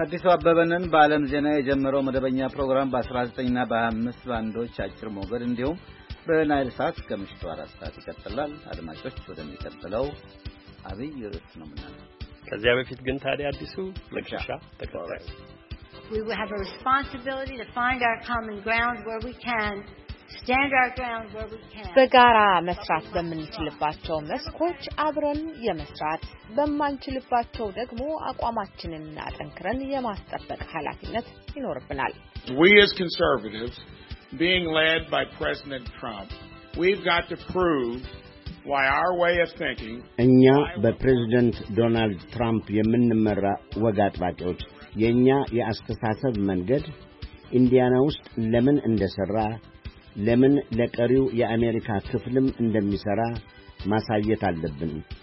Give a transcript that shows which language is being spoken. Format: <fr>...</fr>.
<am>አዲሱ አበበንን በአለም ዜና የጀመረው መደበኛ ፕሮግራም በ19ና በ25 ባንዶች አጭር ሞገድ እንዲሁም በናይል ሳት ከምሽቱ 4 ሰዓት ይቀጥላል። አድማጮች፣ ወደሚቀጥለው አብይ ርዕስ ነው የምናልፈው። ከዚያ በፊት ግን ታዲያ አዲሱ ለክሻ ተከታታይ</am> <en>We have a responsibility to find our common ground where we can, stand our ground where we can.</en> <am>በጋራ መስራት በምንችልባቸው መስኮች አብረን የመስራት፣ በማንችልባቸው ደግሞ አቋማችንን እናጠንክረን የማስጠበቅ ኃላፊነት ይኖርብናል።</am> <en>We as conservatives, being led by President Trump, we've got to prove why our way of thinking.</en> <am>እኛ በፕሬዝዳንት ዶናልድ ትራምፕ የምንመራ ወግ አጥባቂዎች የኛ የአስተሳሰብ መንገድ ኢንዲያና ውስጥ ለምን እንደሰራ፣ ለምን ለቀሪው የአሜሪካ ክፍልም እንደሚሰራ ማሳየት አለብን።</am>